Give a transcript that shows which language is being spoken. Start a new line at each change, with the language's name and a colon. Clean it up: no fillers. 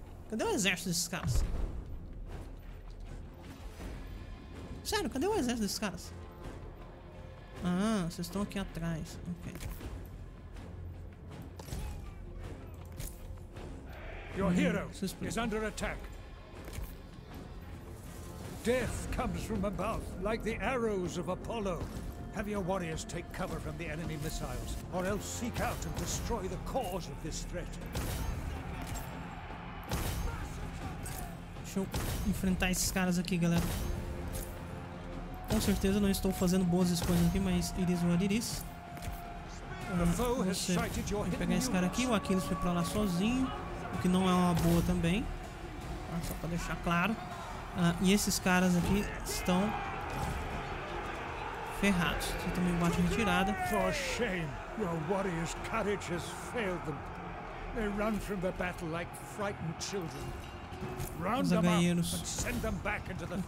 Portuguese: Cadê o exército desses caras? Sério, cadê o exército desses caras? Ah, vocês estão aqui atrás. Ok.
English: Your hero is under attack. Death comes from above, like the arrows of Apollo. Have your warriors take cover from the enemy missiles, or else seek out and destroy the cause of this threat.
Portuguese: Deixa eu enfrentar esses caras aqui, galera. Com certeza não estou fazendo boas escolhas aqui, mas
English: it is what it is.
Portuguese: Vou pegar esse cara aqui, o Aquiles foi pra lá sozinho. O que não é uma boa também. Ah, só pra deixar claro. E esses caras aqui estão ferrados. Você também bate retirada.
English: For shame, your warriors' courage has failed them. They run from the battle like frightened children. Round them up, send them back into the field.